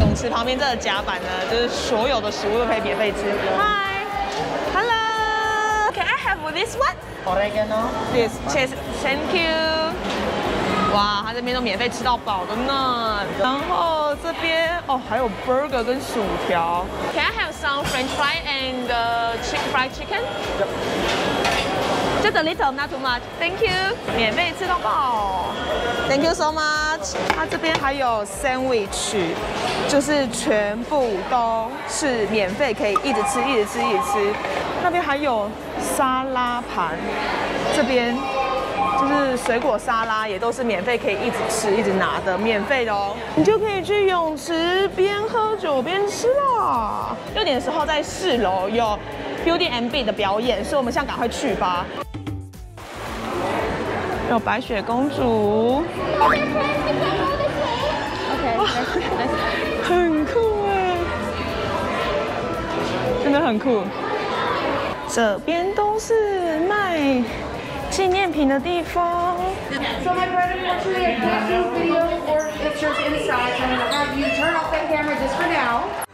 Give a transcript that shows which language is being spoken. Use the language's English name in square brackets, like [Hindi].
[Chinese] 旁边这个甲板呢，就是所有的食物都可以免费吃。 [English] Hi， Hello， Can I have this one？ Oregano， Yes， Cheers， Thank you。 [Chinese] 哇，他这边都免费吃到饱的呢。然后这边哦，还有 burger 跟薯条。 [English] Can I have some French fry and fried chicken？ Just a little， not too much。 Thank you， [Chinese] 免费吃到饱。 [English] Thank you so much。 [Chinese] 它这边还有 sandwich， 就是全部都是免费，可以一直吃，一直吃，一直吃。那边还有沙拉盘，这边就是水果沙拉，也都是免费，可以一直吃，一直拿的，免费的哦。你就可以去泳池边喝酒边吃啦。 6点的时候在四楼有 Beauty and Beast 的表演，所以我们现在赶快去吧。有白雪公主 [English] ，OK， [Chinese] 很酷哎，真的很酷。这边都是卖纪念品的地方。 [English] So my credit card to get these video or pictures inside, I'm gonna have you turn off that camera just for now.